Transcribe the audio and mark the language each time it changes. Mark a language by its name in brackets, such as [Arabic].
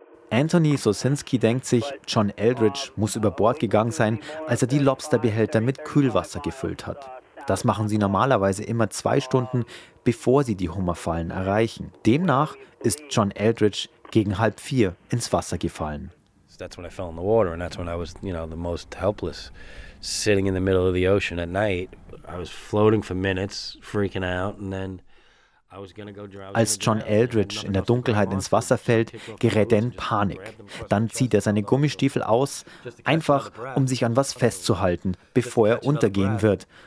[German] Anthony Sosinski denkt sich, John Eldridge muss über Bord gegangen sein, als er die Lobsterbehälter mit Kühlwasser gefüllt hat. Das machen sie normalerweise immer 2 Stunden, bevor sie die Hummerfallen erreichen. Demnach ist John Eldridge gegen 3:30 ins Wasser gefallen. [English] That's when I fell in the water and that's when I was, you know, the most helpless, sitting in the middle of the ocean at night. I was floating for minutes, freaking out, and then. [German] Als John Eldridge in der Dunkelheit ins Wasser fällt, gerät er in Panik. Dann zieht er seine Gummistiefel aus, einfach um sich an was festzuhalten, bevor er untergehen wird.